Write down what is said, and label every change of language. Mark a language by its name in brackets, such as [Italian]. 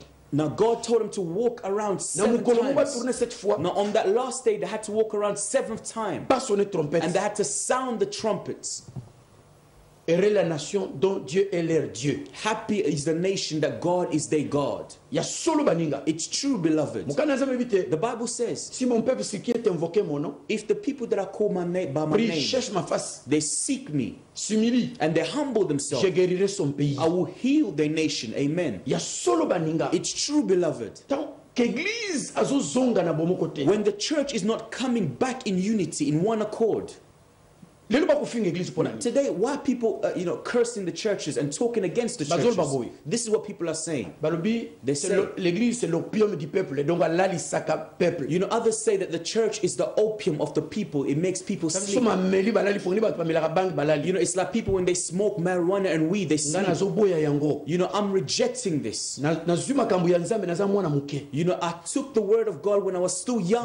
[English] Now God told them to walk around seven times. Now on that last day, they had to walk around seventh time. And they had to sound the trumpets. [French] Heureux la nation dont Dieu est leur Dieu. [English] Happy is the nation that God is their God. It's true, beloved. The Bible says, [French] si mon peuple, si qui est invoqué mon nom, [English] if the people that are called my name, by my name, [French] cherche ma face, [English] they seek me, [French] s'humilie, [English] and they humble themselves, [French] je guérirai son pays. [English] I will heal their nation. Amen. It's true, beloved. When the church is not coming back in unity, in one accord, today, why are people you know, cursing the churches and talking against the churches? This is what people are saying. They say, [French] l'église c'est l'opium du peuple, donc la lisaka peuple. [English] You know, others say that the church is the opium of the people. It makes people sleep. You know, it's like people when they smoke marijuana and weed, they sleep. You know, I'm rejecting this. You know, I took the word of God when I was still young.